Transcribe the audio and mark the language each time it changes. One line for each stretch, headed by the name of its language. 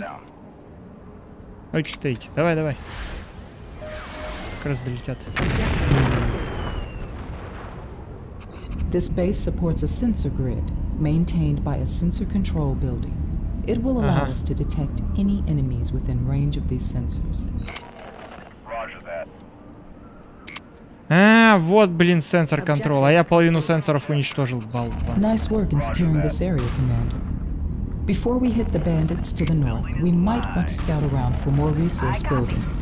English: Уииииииииииииииииииииииииииииииииииииииииииииииииииииииииииииииииииииииииииииииииииииииииииииииииииииииииииииииииииииииииииииииииииииииииииииииииииииииииииииииииииииииииииииииииииииииииииииииииииииииииииииииииииииииииииииииииииииииииииииииииииииииииииииииииииииииииииииииииииииииииииииииииииииииииииииииииииииииииииииииииииииииииииииииииииииииииииииииииииииииииииииииииииииииииииииииииииииииииииииииииииииииииииииииииииииииииииииииииииииииииииииииииииииииииииииииииииииииииииииииииииииииииииииииииииииииииииииииииииииииииииииииииииииииииииииииииииииииииииииииииииииииииииииииииииииииииииииииииииииииииииииииииииииииииииииииииииииii. This base supports a sensor grid, maintained by a sensor control building. It will allow us to detect any enemies within range of these sensors. Roger that.
Russian: А, вот, блин, сенсор контроля. А я половину сенсоров уничтожил, балбан.
English: Nice work in securing this area, Commander. Before we hit the bandits to the north, we might want to scout around for more resource buildings.